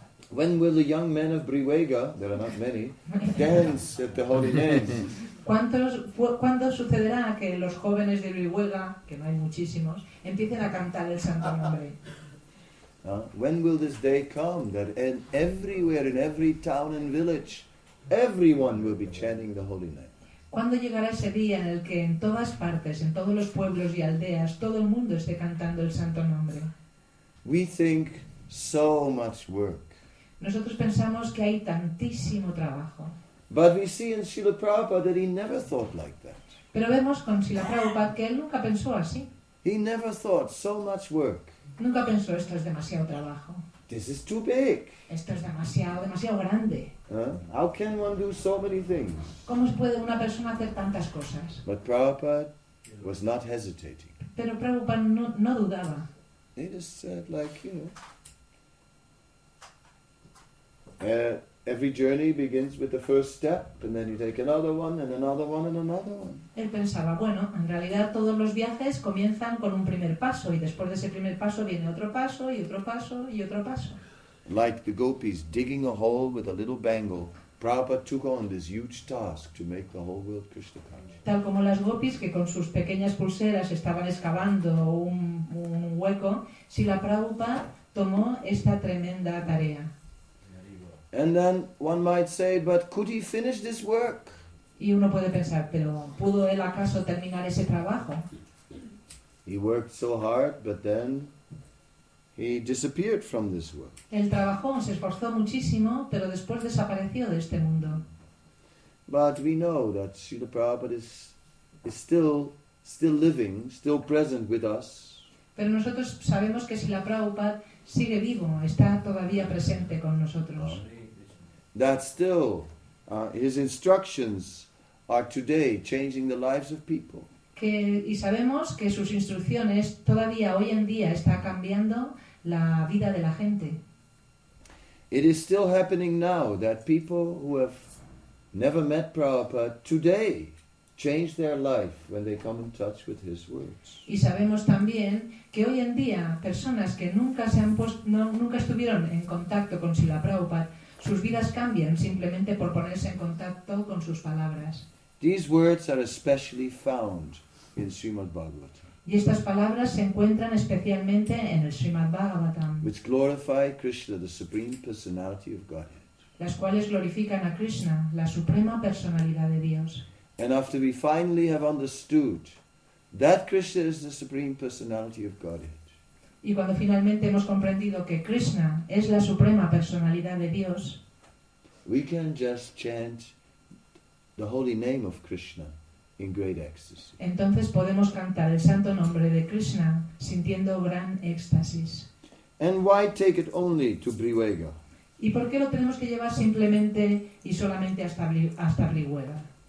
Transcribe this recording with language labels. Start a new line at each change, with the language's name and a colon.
English: When will the young men of Brihuega, there are not many, dance at the holy names?
Spanish: ¿Cuándo sucederá que los jóvenes de Brihuega, que no hay muchísimos, empiecen a cantar el santo nombre?
English: When will this day come that everywhere, in every town and village, everyone will be chanting the holy name?
Spanish: ¿Cuándo llegará ese día en el que en todas partes, en todos los pueblos y aldeas, todo el mundo esté cantando el santo nombre?
English: We think so much work.
Spanish: Nosotros pensamos que hay tantísimo trabajo.
English: But we see in Srila Prabhupada that he never thought like that.
Spanish: Pero vemos con Srila Prabhupada que él nunca pensó así.
English: He never thought so much work.
Spanish: Nunca pensó, esto es demasiado trabajo.
English: This is too big.
Spanish: Esto es demasiado grande.
English: How can one do so many things?
Spanish: ¿Cómo puede una persona hacer tantas cosas?
English: But Prabhupada was not hesitating.
Spanish: Pero Prabhupada no dudaba.
English: He just said, like, you know, Every journey begins with the first step, and then you take another one, and another one, and another one.
Spanish: Él pensaba, bueno, en realidad todos los viajes comienzan con un primer paso, y después de ese primer paso viene otro paso, y otro paso, y otro paso.
English: Like the gopis digging a hole with a little bangle, Prabhupada took on this huge task to make the whole world Krishna conscious.
Spanish: Tal como las gopis que con sus pequeñas pulseras estaban excavando un hueco, Srila Prabhupada tomó esta tremenda tarea.
English: And then one might say, but could he finish this work?
Spanish: Y uno puede pensar, ¿pero pudo él acaso terminar ese trabajo?
English: He worked so hard, but then he disappeared from this world.
Spanish: Él trabajó, se esforzó muchísimo, pero después desapareció de este mundo.
English: But we know that Srila Prabhupada is still living, still present with us.
Spanish: Pero nosotros sabemos que Srila Prabhupada sigue vivo, está todavía presente con nosotros.
English: That still, his instructions are today changing the lives of people.
Spanish: Que, y sabemos que sus instrucciones todavía hoy en día está cambiando la vida de la gente.
English: It is still happening now that people who have never met Prabhupada today change their life when they come in touch with his words.
Spanish: Y sabemos también que hoy en día personas que nunca se han nunca estuvieron en contacto con Srila Prabhupada, sus vidas cambian simplemente por ponerse en contacto con sus palabras.
English: These words are especially found in Srimad Bhagavatam.
Spanish: Y estas palabras se encuentran especialmente en el Srimad Bhagavatam,
English: which glorify Krishna, the Supreme Personality of Godhead.
Spanish: Las cuales glorifican a Krishna, la suprema personalidad de Dios.
English: And after we finally have understood that Krishna is the Supreme Personality of Godhead,
Spanish: y cuando finalmente hemos comprendido que Krishna es la suprema personalidad de Dios,
English: we can just chant the holy name of Krishna in great ecstasy.
Spanish: Entonces podemos cantar el santo nombre de Krishna sintiendo gran éxtasis.
English: And why take it only to Brihuega?
Spanish: ¿Y por qué lo tenemos que llevar simplemente y solamente hasta Brihuega?